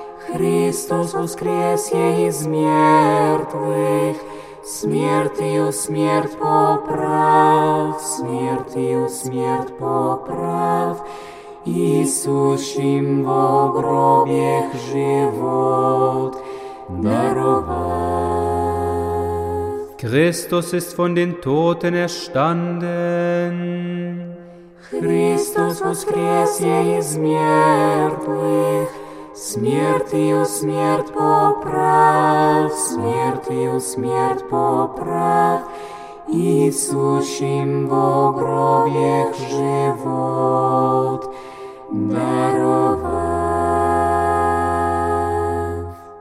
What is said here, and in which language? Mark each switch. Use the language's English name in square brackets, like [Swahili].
[Church Slavic] Христос воскресе из мертвых, смертью смерть поправ, смертью смерть поправ, Иисушим во гробьях живот даровав. [German] Christus ist von den Toten erstanden. [Church Slavic] Christus воскресе из мертвых, смертью смерть поправ, смертью смерть поправ, Иисушим во гробьях живот даровав.